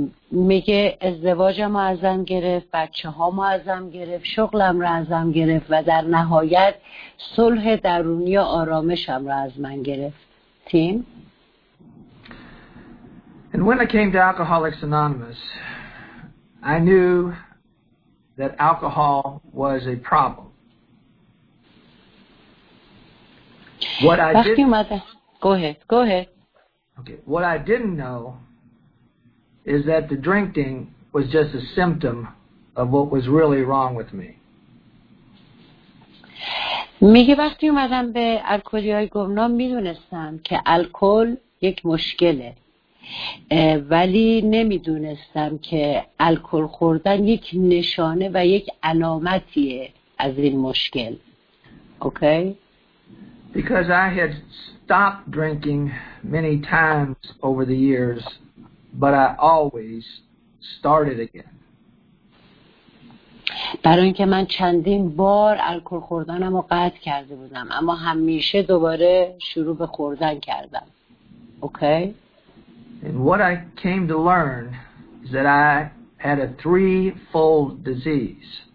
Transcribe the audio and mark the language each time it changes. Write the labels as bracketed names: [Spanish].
[Persian] میگه ازدواجم رو ازم گرفت، بچه هامو ازم گرفت، شغلم رو ازم گرفت و در نهایت صلح درونی و آرامشم رو از من گرفت. تیم. [English] And when I came to Alcoholics Anonymous, I knew that alcohol was a problem. What I didn't... Go ahead. Okay. What I didn't know is that the drinking was just a symptom of what was really wrong with me. [Persian] میگه وقتی اومدم به الکلی‌های گمنام میدونستم که الکل یک مشکله، ولی نمیدونستم که الکل خوردن یک نشانه و یک علامتیه از این مشکل. [English] Okay? Because I had stopped drinking many times over the years, but I always started again. [Persian] برای اینکه من چندین بار الکل خوردنم رو قطع کرده بودم، اما همیشه دوباره شروع به خوردن کردم. [English] Okay? And what I came to learn is that I had a threefold disease.